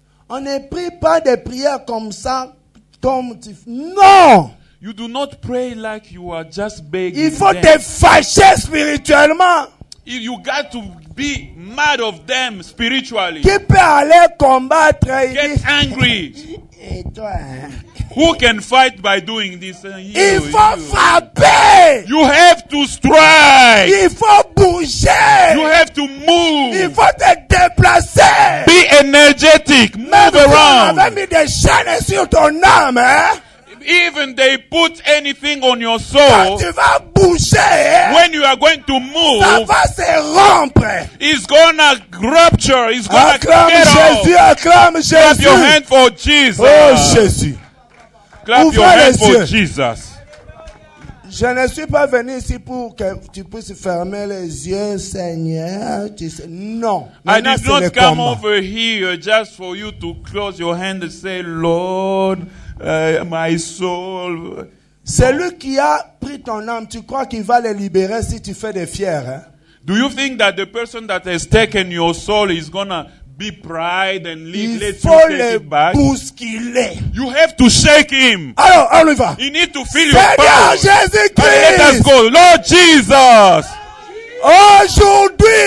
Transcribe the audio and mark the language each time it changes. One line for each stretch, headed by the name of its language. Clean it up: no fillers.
French: On ne prie pas des prières comme ça, tombe. Non.
English: You do not pray like you are just begging.
French: Il faut te fâcher spirituellement.
English: You got to be mad of them spiritually.
French: Qui peut aller combattre?
English: Get angry.
French: Et toi?
English: Who can fight by doing this?
French: Il faut frapper.
English: You have to strike.
French: Il faut bouger.
English: You have to move.
French: Il faut te déplacer.
English: Be energetic. Move around.
French: Même si on avait mis des chaînes sur ton âme, hein?
English: Even they put anything on your soul,
French: tu vas bouger,
English: when you are going to move,
French: ça va se rompre.
English: It's going to rupture. It's going to get off.
French: Jésus, acclame Jésus.
English: Clap your hand for Jesus.
French: Oh, Jésus.
English: Clap your hand for Jesus.
French: Je ne suis pas venu ici pour que tu puisses fermer les yeux, Seigneur. Non.
English: I did not come over here just for you to close your hand and say, Lord, my soul.
French: C'est lui qui a pris ton âme. Tu crois qu'il va les libérer si tu fais des fiers, hein?
English: Do you think that the person that has taken your soul is gonna be pride and leave, let you take it back?
French: Il faut le bousculer.
English: You have to shake him.
French: Alors, on y va.
English: You need to feel your power.
French: Seigneur Jésus-Christ.
English: Let us go. Lord Jesus.
French: Aujourd'hui.